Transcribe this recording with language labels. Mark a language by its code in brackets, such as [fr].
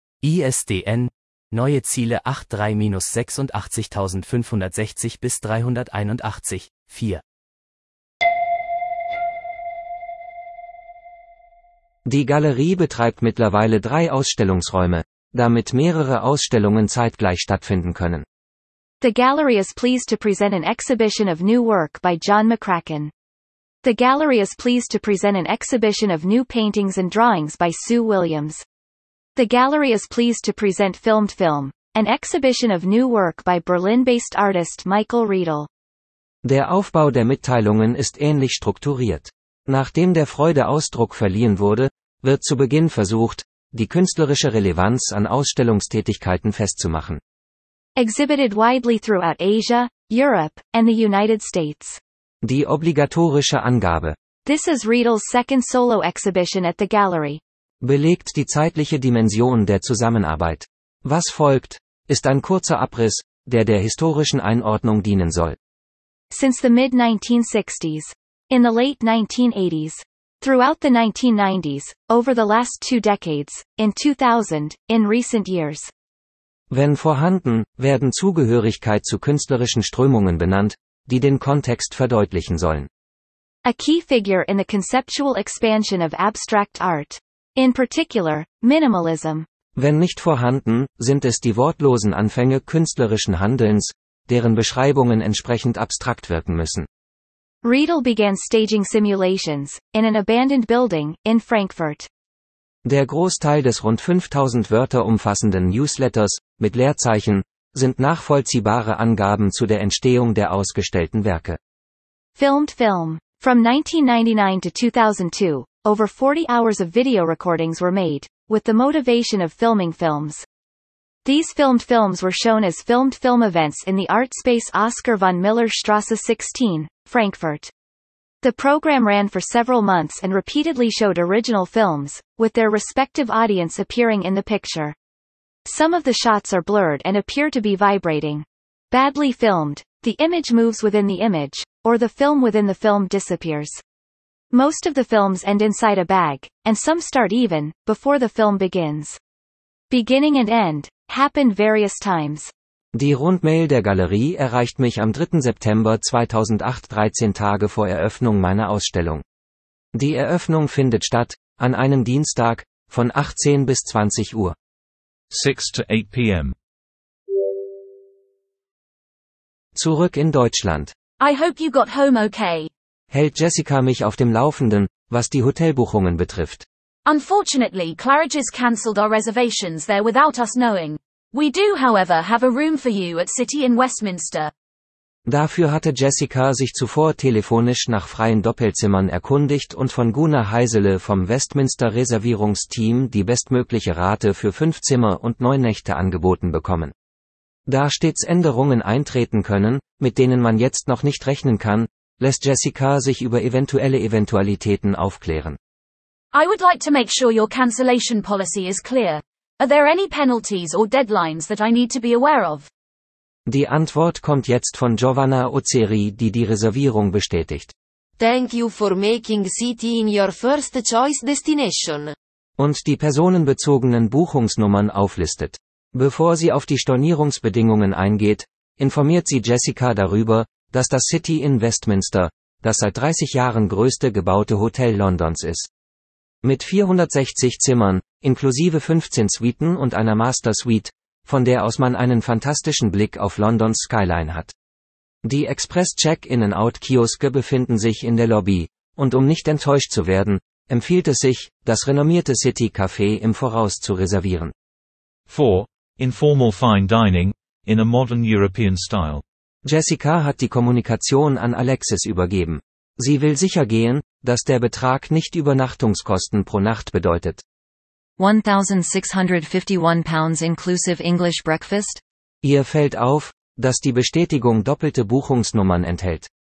[de] ISDN, neue Ziele 83-86.560 bis 381, 4. Die Galerie betreibt mittlerweile 3 Ausstellungsräume, damit mehrere Ausstellungen zeitgleich stattfinden können. [en] The gallery is pleased to present an exhibition of new work by John McCracken. The gallery is pleased to present an exhibition of new paintings and drawings by Sue Williams. The gallery is pleased to present Filmed Film, an exhibition of new work by Berlin-based artist Michael Riedel. [de] Der Aufbau der Mitteilungen ist ähnlich strukturiert. Nachdem der Freude Ausdruck verliehen wurde, wird zu Beginn versucht, die künstlerische Relevanz an Ausstellungstätigkeiten festzumachen. [en] Exhibited widely throughout Asia, Europe, and the United States. [de] Die obligatorische Angabe. [en] This is Riedel's second solo exhibition at the gallery. [de] Belegt die zeitliche Dimension der Zusammenarbeit. Was folgt, ist ein kurzer Abriss, der historischen Einordnung dienen soll. [en] Since the mid-1960s. In the late 1980s. Throughout the 1990s, over the last 2 decades, in 2000, in recent years. [de] Wenn vorhanden, werden Zugehörigkeit zu künstlerischen Strömungen benannt, die den Kontext verdeutlichen sollen. [en] A key figure in the conceptual expansion of abstract art. In particular, minimalism. [de] Wenn nicht vorhanden, sind es die wortlosen Anfänge künstlerischen Handelns, deren Beschreibungen entsprechend abstrakt wirken müssen. [en] Riedel began staging simulations, in an abandoned building, in Frankfurt. [de] Der Großteil des rund 5000 Wörter umfassenden Newsletters, mit Leerzeichen, sind nachvollziehbare Angaben zu der Entstehung der ausgestellten Werke. [en] Filmed Film. From 1999 to 2002, over 40 hours of video recordings were made, with the motivation of filming films. These filmed films were shown as filmed film events in the art space Oscar von Miller Straße 16, Frankfurt. The program ran for several months and repeatedly showed original films, with their respective audience appearing in the picture. Some of the shots are blurred and appear to be vibrating. Badly filmed, the image moves within the image, or the film within the film disappears. Most of the films end inside a bag, and some start even, before the film begins. Beginning and end, happened various times. [de] Die Rundmail der Galerie erreicht mich am 3. September 2008, 13 Tage vor Eröffnung meiner Ausstellung. Die Eröffnung findet statt, an einem Dienstag, von 18 bis 20 Uhr. [en] 6 to 8 p.m. [de] Zurück in Deutschland. [en] I hope you got home okay. [de] Hält Jessica mich auf dem Laufenden, was die Hotelbuchungen betrifft. [en] Unfortunately, Claridge's cancelled our reservations there without us knowing. We do, however, have a room for you at City in Westminster. [de] Dafür hatte Jessica sich zuvor telefonisch nach freien Doppelzimmern erkundigt und von Gunnar Heisele vom Westminster Reservierungsteam die bestmögliche Rate für 5 Zimmer und 9 Nächte angeboten bekommen. Da stets Änderungen eintreten können, mit denen man jetzt noch nicht rechnen kann, lässt Jessica sich über eventuelle Eventualitäten aufklären. I would like to make sure your cancellation policy is clear. Are there any penalties or deadlines that I need to be aware of? Die Antwort kommt jetzt von Giovanna Ozeri, die die Reservierung bestätigt. [en] Thank you for making City in your first choice destination. [de] Und die personenbezogenen Buchungsnummern auflistet. Bevor sie auf die Stornierungsbedingungen eingeht, informiert sie Jessica darüber, dass das City in Westminster, das seit 30 Jahren größte gebaute Hotel Londons ist. Mit 460 Zimmern, inklusive 15 Suiten und einer Master Suite, von der aus man einen fantastischen Blick auf Londons Skyline hat. Die Express-Check-In-Out-Kioske befinden sich in der Lobby, und um nicht enttäuscht zu werden, empfiehlt es sich, das renommierte City Café im Voraus zu reservieren. [en] 4. Informal Fine Dining, in a modern European style. [de] Jessica hat die Kommunikation an Alexis übergeben. Sie will sichergehen, dass der Betrag nicht Übernachtungskosten pro Nacht bedeutet. [en] £1,651 inclusive English breakfast? [de] Ihr fällt auf, dass die Bestätigung doppelte Buchungsnummern enthält.